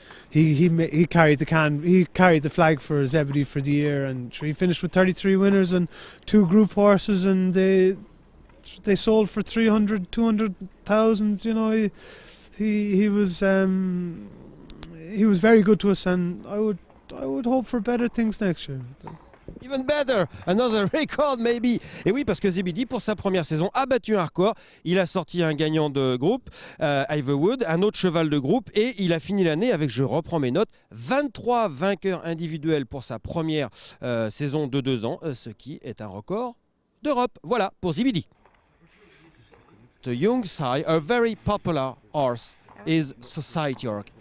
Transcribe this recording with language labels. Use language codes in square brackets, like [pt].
[en] he carried the flag for Zebedee for the year, and he finished with 33 winners and two group horses, and they sold for 300,000 You know, he was very good to us, and I would hope for better things next year. Even better, another record maybe. [fr] Et oui, parce que Zebedee, pour sa première saison, a battu un record. Il a sorti un gagnant de groupe, Ivywood, un autre cheval de groupe, et il a fini l'année avec, je reprends mes notes, 23 vainqueurs individuels pour sa première saison de 2 ans, ce qui est un record d'Europe. Voilà pour Zebedee. [en] The young side, a very popular horse, is Society York.